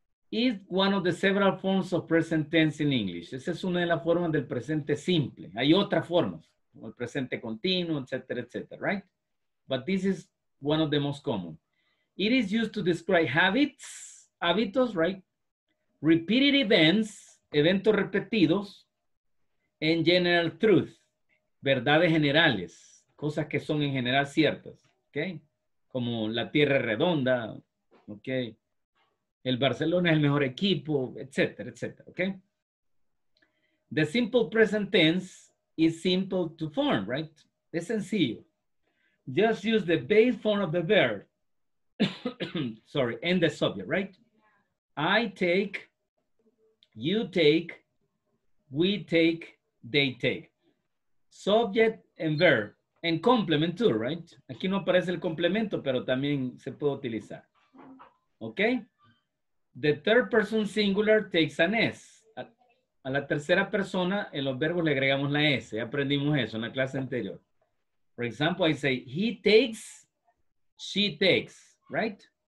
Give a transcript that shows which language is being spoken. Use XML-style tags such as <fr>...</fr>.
<en>It's one of the several forms of present tense in English.</en> <es>Esa es una de las formas del presente simple. Hay otras formas, como el presente continuo, etcétera, etcétera, right?</es> <en>But this is one of the most common. It is used to describe habits, hábitos, right?</en> <es>Repeated events, eventos repetidos, and general truth, verdades generales, cosas que son en general ciertas, okay? Como la tierra redonda, okay? El Barcelona es el mejor equipo, etcétera, etcétera, okay?</es> <en>The simple present tense is simple to form, right? Es sencillo. Just use the base form of the verb, sorry, and the subject, right? I take, you take, we take, they take. Subject and verb, and complement too, right?</en> <es>Aquí no aparece el complemento, pero también se puede utilizar. Okay? The third person singular takes an S. A la tercera persona, en los verbos le agregamos la S.</es> <en>Ya aprendimos eso en la clase anterior. For example, I say, he takes, she takes, right?</en>